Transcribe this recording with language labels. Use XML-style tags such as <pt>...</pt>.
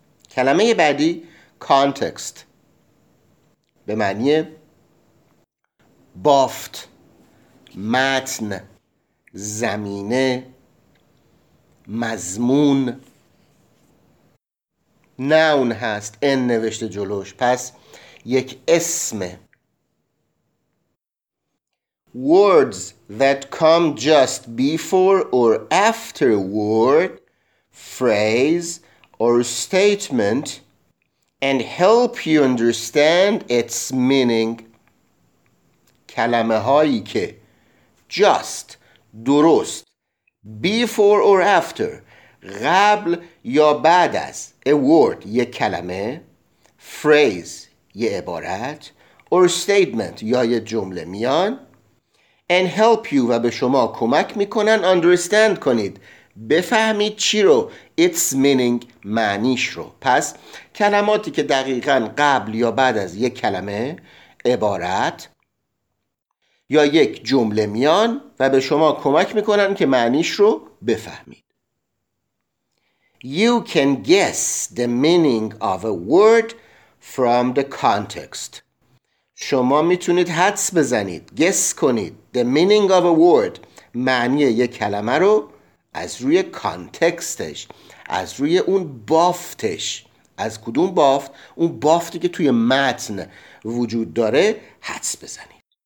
<fa>کلمه بعدی context به معنی بافت, متن, زمینه, مضمون. noun هست, ان نوشته جلوش, پس یک اسمه.</fa> <en>words that come just before or after word, phrase or statement and help you understand its meaning.</en> <fa>کلمه هایی که just, درست,</fa> <en>before or after,</en> <fa>قبل یا بعد از</fa> <en>a word,</en> <fa>یه کلمه, phrase, یه عبارت,</fa> <en>or statement,</en> <fa>یا یه جمله میان,</fa> <en>and help you,</en> <fa>و به شما کمک میکنن understand کنید, بفهمید چی رو,</fa> <en>its meaning,</en> <fa>معنیش رو. پس کلماتی که دقیقا قبل یا بعد از یک کلمه, عبارت یا یک جمله میان و به شما کمک میکنن که معنیش رو بفهمید.</fa> <en>You can guess the meaning of a word from the context.</en> <fa>شما میتونید حدس بزنید, guess کنید,</fa> <en>the meaning of a word,</en> <fa>معنی یک کلمه رو از روی کانتکستش, از روی اون بافتش. از کدوم بافت؟ اون بافتی که توی متن وجود داره حدس بزنید.</fa>